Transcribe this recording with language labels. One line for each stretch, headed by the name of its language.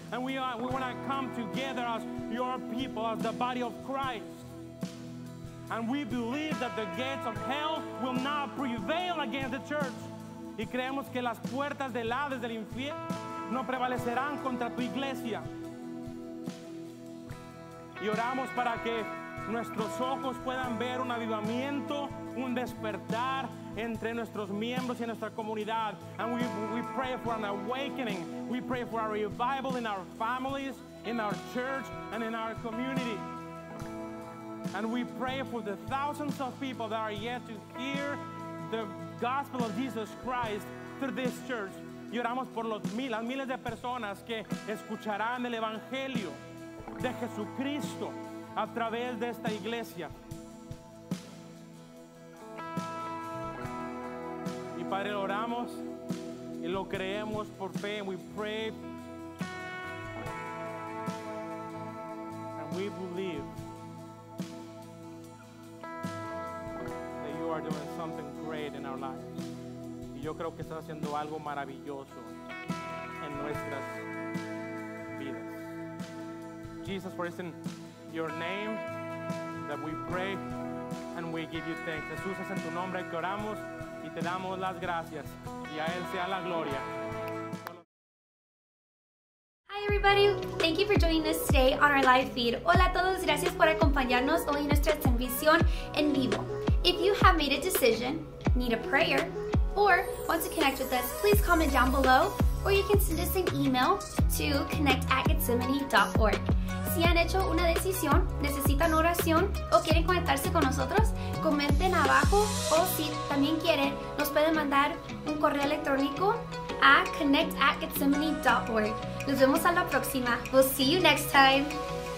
English: And we want to come together as your people, as the body of Christ. And we believe that the gates of hell will not prevail against the church.
Spanish: Y creemos que las puertas del Hades, del infierno, no prevalecerán contra tu iglesia. Y oramos para que nuestros ojos puedan ver un avivamiento, un despertar entre nuestros miembros y nuestra comunidad.
English: And we pray for an awakening. We pray for a revival in our families, in our church, and in our community. And we pray for the thousands of people that are yet to hear the gospel of Jesus Christ through this church.
Spanish: Y oramos por las miles de personas que escucharán el evangelio de Jesucristo a través de esta iglesia. Y Padre, oramos y lo creemos por fe.
English: We pray and we believe that you are doing something great in our lives.
Spanish: Y yo creo que estás haciendo algo maravilloso en nuestras vidas.
English: Jesus, for it's in your name that we pray and we give you thanks.
Spanish: Jesús, es en tu nombre que oramos y te damos las gracias. Y a Él sea la gloria.
English: Everybody, thank you for joining us today on our live feed.
Spanish: Hola a todos, gracias por acompañarnos hoy en nuestra transmisión en vivo.
English: If you have made a decision, need a prayer, or want to connect with us, please comment down below, or you can send us an email to connect@gethsemane.org.
Spanish: Si han hecho una decisión, necesitan oración, o quieren conectarse con nosotros, comenten abajo, o si también quieren, nos pueden mandar un correo electrónico a connect@gethsemane.org. Nos vemos a la próxima.
English: We'll see you next time.